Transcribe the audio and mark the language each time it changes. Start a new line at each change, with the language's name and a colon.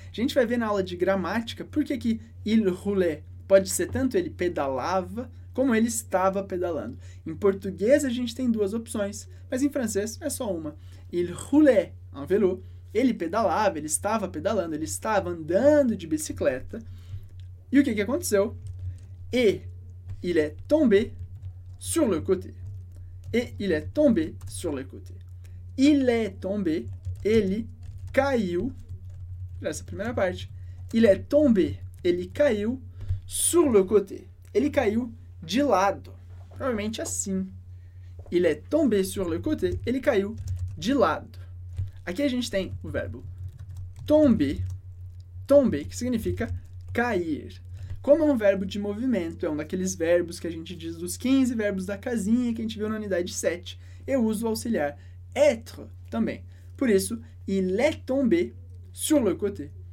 Portuguese: A gente vai ver na aula de gramática por que que
French: il roulait
Portuguese: pode ser tanto ele pedalava como ele estava pedalando. Em português a gente tem duas opções, mas em francês é só uma.
French: Il roulait un vélo,
Portuguese: ele pedalava, ele estava pedalando, ele estava andando de bicicleta. E o que que aconteceu?
French: Et il est tombé sur le côté. Et il est tombé sur le côté. Il est tombé,
Portuguese: ele caiu. Essa é a primeira parte.
French: Il est tombé,
Portuguese: ele caiu
French: sur le côté.
Portuguese: Ele caiu de lado. Provavelmente assim.
French: Il est tombé sur le côté,
Portuguese: ele caiu de lado. Aqui a gente tem o verbo tomber. Tomber, que significa cair. Como é um verbo de movimento, é um daqueles verbos que a gente diz dos 15 verbos da casinha que a gente viu na unidade 7, eu uso o auxiliar être também. Por isso,
French: il est tombé sur le côté.